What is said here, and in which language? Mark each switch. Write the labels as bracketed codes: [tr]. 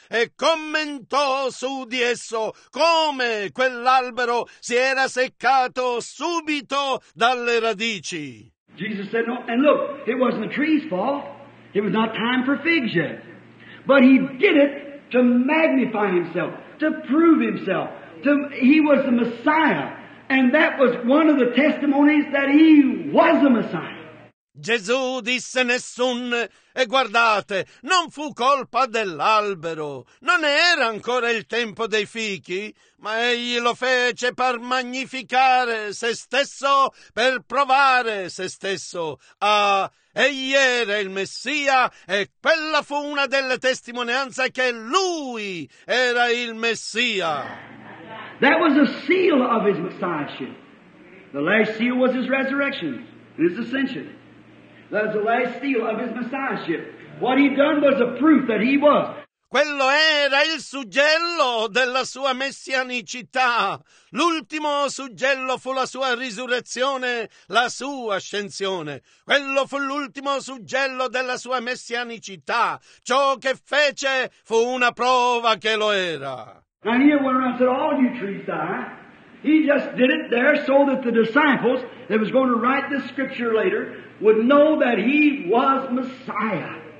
[it] E commentò su di esso come quell'albero si era seccato subito dalle radici. [en] Jesus said, no, and look, it wasn't the tree's fault. It was not time for figs yet. But he did it to magnify himself, to prove himself. He was the Messiah. And that was one of the testimonies that he was a Messiah. [it] Gesù disse nessun, e guardate, non fu colpa dell'albero. Non era ancora il tempo dei fichi, ma egli lo fece per magnificare se stesso, per provare se stesso. Ah, egli era il Messia, e quella fu una delle testimonianze che lui era il Messia. [en] That was a seal of his messiahship. The last seal was his resurrection, his ascension. That was the last seal of his messiahship. What he done was a proof that he was. [it] Quello era il suggello della sua messianicità. L'ultimo suggello fu la sua risurrezione, la sua ascensione. Quello fu l'ultimo suggello della sua messianicità. Ciò che fece fu una prova che lo era. [en] And he went around and said, all you trees die. He just did it there so that the disciples that was going to write this scripture later would know that he was Messiah.